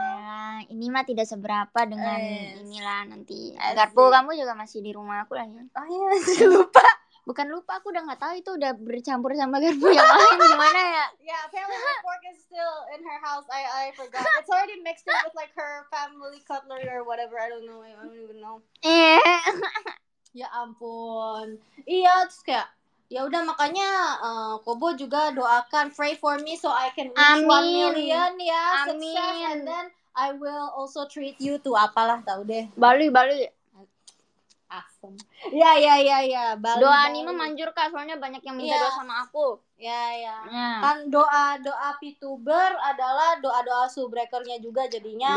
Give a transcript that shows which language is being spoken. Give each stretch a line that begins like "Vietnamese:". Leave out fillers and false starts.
Indonesian: Nah, ini mah tidak seberapa dengan inilah nanti. Garpu kamu juga masih di rumah aku lah ya. Oh iya, lupa. Bukan lupa, aku udah gak tahu itu udah bercampur sama garpu yang lain gimana ya.
English: Yeah, apparently her pork is still in her house. I forgot. It's already mixed in with like her family cutlery or whatever. I don't even know.
Indonesian: Ya ampun. Iya, terus kayak ya udah makanya Kobo juga doakan,
English: pray for me so I can reach 1 million
Indonesian: ya, amin.
English: Success, and then I will also treat you to
Indonesian: apalah tau deh. Bali.
English: Awesome.
Indonesian: Ya. Bali, doa Bali. Anime manjur kak, soalnya banyak yang minta doa sama aku. Ya. Kan doa VTuber adalah doa subbreakernya juga jadinya.